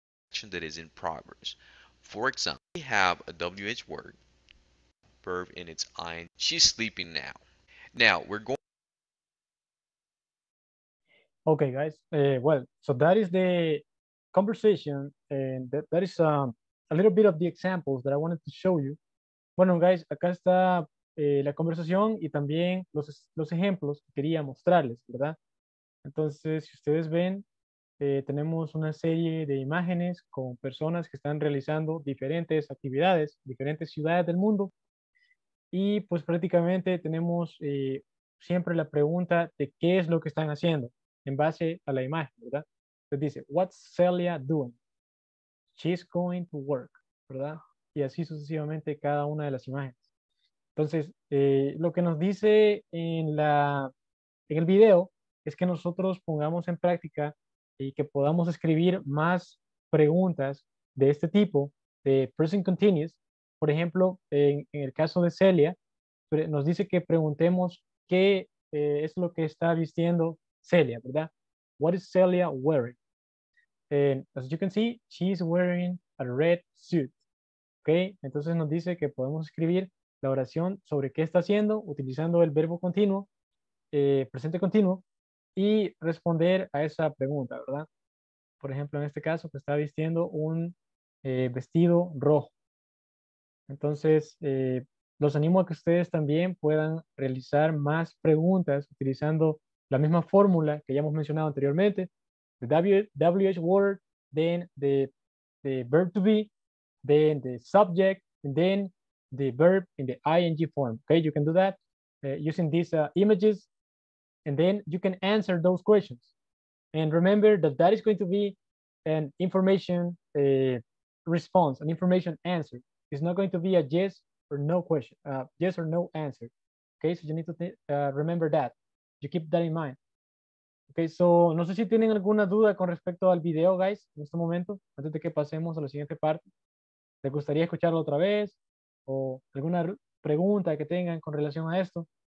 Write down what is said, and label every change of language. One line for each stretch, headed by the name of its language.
English: Action that is in progress. For example, we have a WH word, verb in its ing. She's sleeping now. Now, we're going. Okay, guys. So that is the conversation, and that is a little bit of the examples that I wanted to show you.
Spanish: Bueno, guys, acá está la conversación y también los ejemplos que quería mostrarles, ¿verdad? Entonces, si ustedes ven, tenemos una serie de imágenes con personas que están realizando diferentes actividades, diferentes ciudades del mundo. Y pues prácticamente tenemos siempre la pregunta de qué es lo que están haciendo en base a la imagen, ¿verdad? Entonces dice,
English: what's Celia doing? She's going to work,
Spanish: ¿verdad? Y así sucesivamente cada una de las imágenes. Entonces, lo que nos dice en el video es que nosotros pongamos en práctica y que podamos escribir más preguntas de este tipo, de present continuous. Por ejemplo, en el caso de Celia, nos dice que preguntemos qué es lo que está vistiendo Celia, ¿verdad?
English: What is Celia wearing? And as you can see, she's wearing a red suit. Okay?
Spanish: Entonces nos dice que podemos escribir la oración sobre qué está haciendo utilizando el verbo continuo, presente continuo, y responder a esa pregunta, ¿verdad? Por ejemplo, en este caso, que está vistiendo un vestido rojo. Entonces, los animo a que ustedes también puedan realizar más preguntas utilizando la misma fórmula que ya hemos mencionado anteriormente.
English: The WH word, then the verb to be, then the subject, and then the verb in the ing form. Okay, you can do that using these images, and then you can answer those questions. And remember that is going to be an information response, an information answer. It's not going to be a yes or no question, yes or no answer. Okay, so you need to remember that. You keep that in mind.
Spanish: Okay, so no sé si tienen alguna duda con respecto al video, guys, en este momento, antes de que pasemos a la siguiente parte. ¿Les gustaría escucharlo otra vez? ¿O alguna pregunta que tengan con relación a esto?